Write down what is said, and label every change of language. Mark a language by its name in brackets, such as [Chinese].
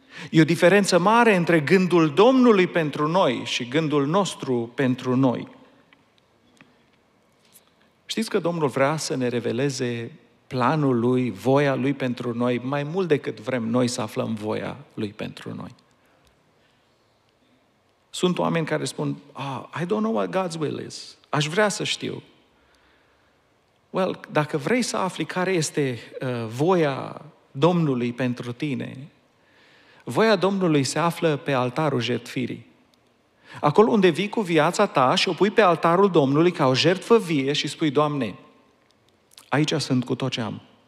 [Romanian] E o diferență mare între gândul Domnului pentru noi și gândul nostru pentru noi. Știți că Domnul vrea să ne reveleze planul Lui, voia Lui pentru noi, mai mult decât vrem noi să aflăm voia Lui pentru noi. Sunt oameni care spun, [English] I don't know what God's will is. [Romanian] Aș vrea să știu. Well, dacă vrei să afli care este voia Domnului pentru tine, voia Domnului se află pe altarul jertfirii. Acolo unde vii cu viața ta și o pui pe altarul Domnului ca o jertfă vie și spui, Doamne, aici sunt cu tot ce am.